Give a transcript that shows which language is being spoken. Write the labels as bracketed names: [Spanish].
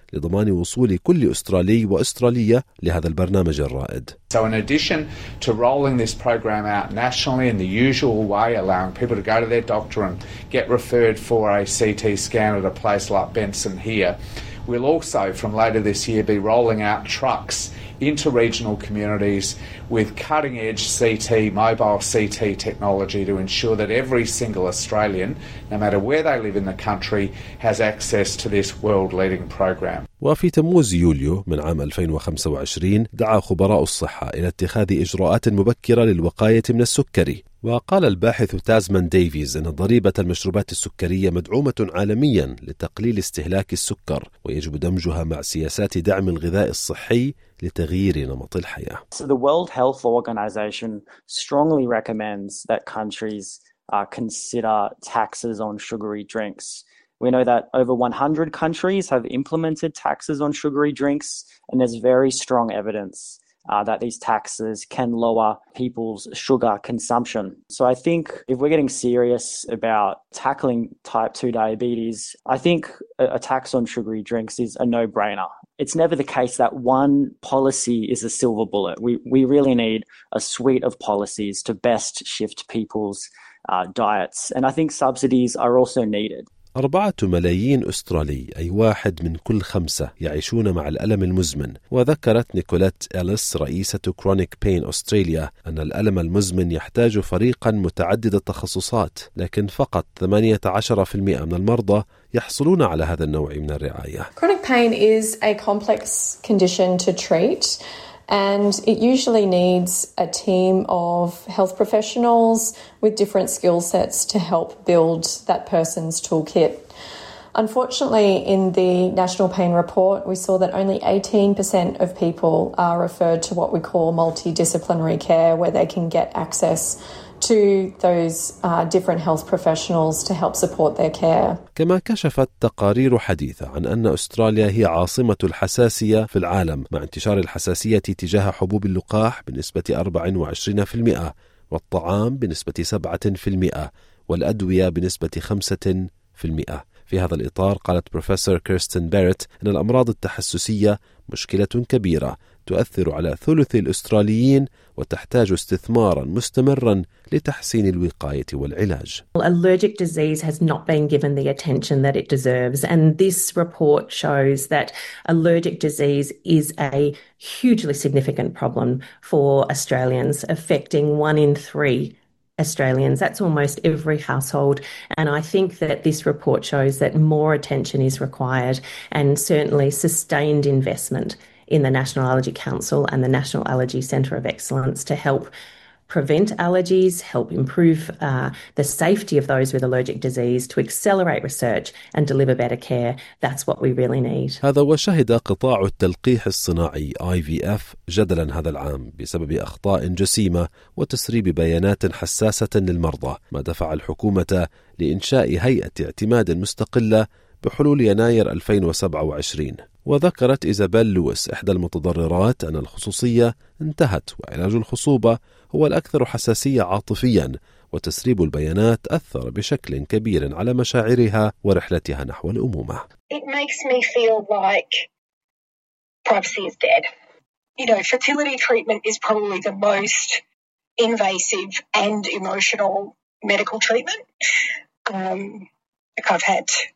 [Arabic] لضمان وصول كل أسترالي وأسترالية لهذا البرنامج الرائد. [English] So in addition to rolling this program out nationally in the usual way, allowing people to go to their doctor and get referred for a CT scan at a place like Benson here, we'll also from later this year be rolling out trucks into regional communities with cutting-edge CT, mobile CT technology to ensure that every single Australian, no matter where they live in the country, has access to this world-leading program. [Arabic] وفي تموز يوليو من عام 2025 دعا خبراء الصحة إلى اتخاذ إجراءات مبكرة للوقاية من السكري. وقال الباحث تازمان ديفيز إن ضريبة المشروبات السكرية مدعومة عالميا لتقليل استهلاك السكر ويجب دمجها مع سياسات دعم الغذاء الصحي لتغيير نمط الحياة. [English] So the World Health Organization strongly recommends that countries consider taxes on sugary drinks. We know that over 100 countries have implemented taxes on sugary drinks, and there's very strong evidence that these taxes can lower people's sugar consumption. So I think if we're getting serious about tackling type 2 diabetes, I think a tax on sugary drinks is a no-brainer. It's never the case that one policy is a silver bullet. We really need a suite of policies to best shift people's diets. And I think subsidies are also needed. [Arabic] 4 ملايين أسترالي أي 1 من كل 5 يعيشون مع الألم المزمن. وذكرت نيكولات إليس رئيسة كرونيك بين أستراليا أن الألم المزمن يحتاج فريقا متعدد التخصصات، لكن فقط 18% من المرضى يحصلون على هذا النوع من الرعاية. [English] Chronic pain is a complex condition to treat, and it usually needs a team of health professionals with different skill sets to help build that person's toolkit. Unfortunately, in the National Pain Report, we saw that only 18% of people are referred to what we call multidisciplinary care, where they can get access to those different health professionals to help support their care. [Arabic] كما كشفت تقارير حديثة عن أن أستراليا هي عاصمة الحساسية في العالم، مع انتشار الحساسية تجاه حبوب اللقاح بنسبة 24% والطعام بنسبة 7% والأدوية بنسبة 5%. في هذا الإطار قالت بروفيسور كيرستن باريت أن الأمراض التحسسية مشكلة كبيرة تؤثر على ثلث الأستراليين وتحتاج استثمارا مستمرا لتحسين الوقاية والعلاج. [English] Allergic disease has not been given the attention that it deserves, and this report shows that allergic disease is a hugely significant problem for Australians, affecting 1 in 3 Australians. That's almost every household. And I think that this report shows that more attention is required, and certainly sustained investment in the National Allergy Council and the National Allergy Centre of Excellence to help prevent allergies, help improve the safety of those with allergic disease, to accelerate research and deliver better care. That's what we really need. [Arabic] هذا وشهد قطاع التلقيح الصناعي IVF جدلا هذا العام بسبب أخطاء جسيمة وتسريب بيانات حساسة للمرضى، ما دفع الحكومة لإنشاء هيئة اعتماد مستقلة بحلول يناير 2027. وذكرت إيزابيل لويس إحدى المتضررات أن الخصوصية انتهت، وعلاج الخصوبة هو الأكثر حساسية عاطفيا، وتسريب البيانات أثر بشكل كبير على مشاعرها ورحلتها نحو الأمومة. [English] It makes me feel like privacy is dead. You know, fertility treatment is probably the most invasive and emotional medical treatment I've had.